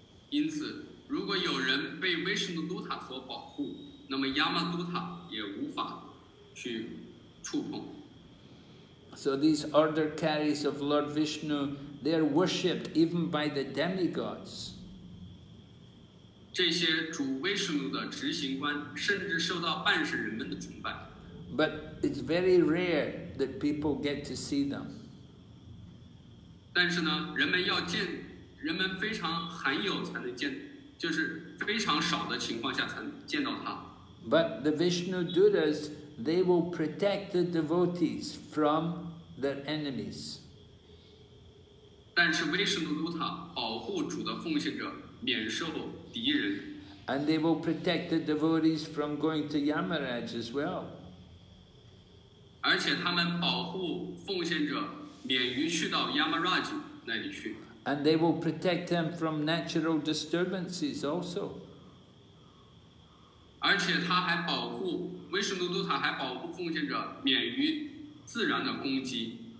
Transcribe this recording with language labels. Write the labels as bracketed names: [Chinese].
[Chinese] 因此如果有人被 Vishnu Duta 所保护，那么 Yamaduta 也无法去触碰。 [English] So these order carries of Lord Vishnu, they are worshipped even by the demigods. [Chinese] 这些主威士奴的执行官甚至受到半神人们的崇拜。 [English] But it's very rare that people get to see them. [Chinese] 但是呢，人们非常罕有才能见，就是非常少的情况下才能见到他。 [English] But the Vishnu Dutas, they will protect the devotees from their enemies. [Chinese] 但是威士努都塔保护主的奉献者免受敌人。 [English] And they will protect the devotees from going to Yamaraj as well. [Chinese] 而且他们保护奉献者免于去到 Yamaraj 那里去。 [English] And they will protect them from natural disturbances also. [Chinese] 而且他还保护威士努都塔还保护奉献者免于自然的攻击。